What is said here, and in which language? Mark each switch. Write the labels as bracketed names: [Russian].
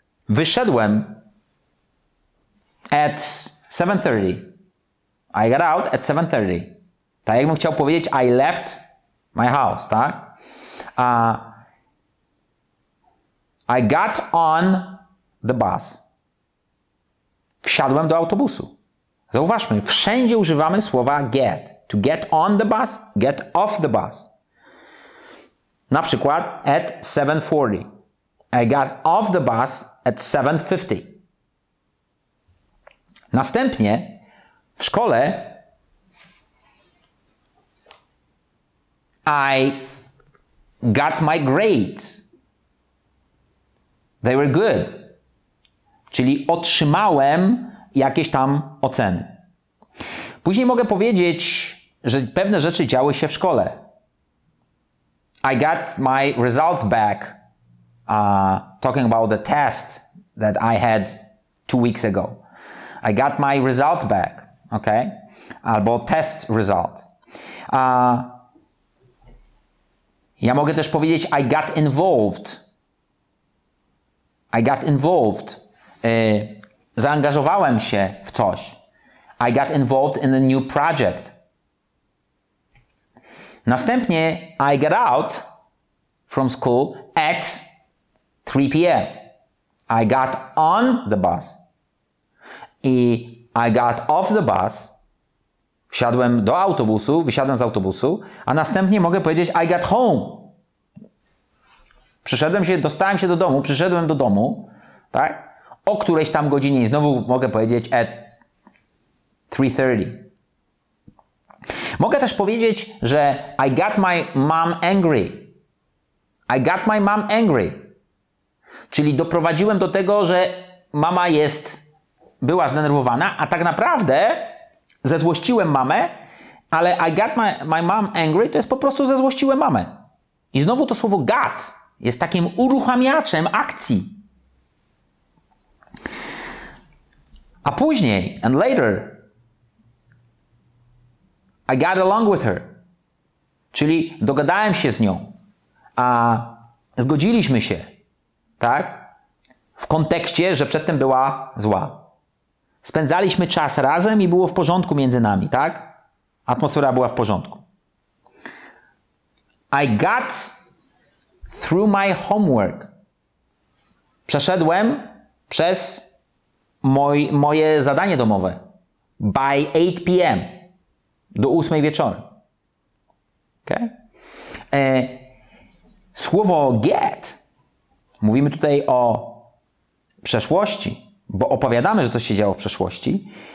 [Polish] Wyszedłem [English] at 7:30. I got out at 7:30. [Polish] Tak jakbym chciał powiedzieć [English] I left my house, [Polish] tak? [English] I got on the bus. [Polish] Wsiadłem do autobusu. Zauważmy, wszędzie używamy słowa get. [English] To get on the bus, get off the bus. [Polish] Na przykład [English] at 7:40. I got off the bus at 7:50. [Polish] Następnie w szkole [English] I got my grades. They were good. [Polish] Czyli otrzymałem jakieś tam oceny. Później mogę powiedzieć, że pewne rzeczy działy się w szkole. [English] I got my results back. Talking about the test that I had 2 weeks ago. I got my results back. Okay? [Polish] Albo [English] test result. [Polish] Ja mogę też powiedzieć [English] I got involved. I got involved. [Polish] Zaangażowałem się w coś. [English] I got involved in a new project. [Polish] Następnie [English] I got out from school at 3 p.m. I got on the bus. I I got off the bus. [Polish] Wsiadłem do autobusu, wysiadłem z autobusu, a następnie mogę powiedzieć [English] I got home. [Polish] Dostałem się do domu, przyszedłem do domu, tak? O którejś tam godzinie i znowu mogę powiedzieć [English] at 3:30. [Polish] Mogę też powiedzieć, że [English] I got my mom angry. I got my mom angry. [Polish] Czyli doprowadziłem do tego, że mama była zdenerwowana, a tak naprawdę zezłościłem mamę, ale I got my mom angry to jest po prostu zezłościłem mamę. I znowu to słowo got jest takim uruchamiaczem akcji. A później, [English] and later, I got along with her. [Polish] Czyli dogadałem się z nią. A zgodziliśmy się. Tak? W kontekście, że przedtem była zła. Spędzaliśmy czas razem i było w porządku między nami, tak? Atmosfera była w porządku. [English] I got through my homework. [Polish] Przeszedłem przez moje zadanie domowe. [English] By 8 p.m. [Polish] Do 8 wieczorem. [English] Okay? [Polish] Słowo get. Mówimy tutaj o przeszłości, bo opowiadamy, że to się działo w przeszłości.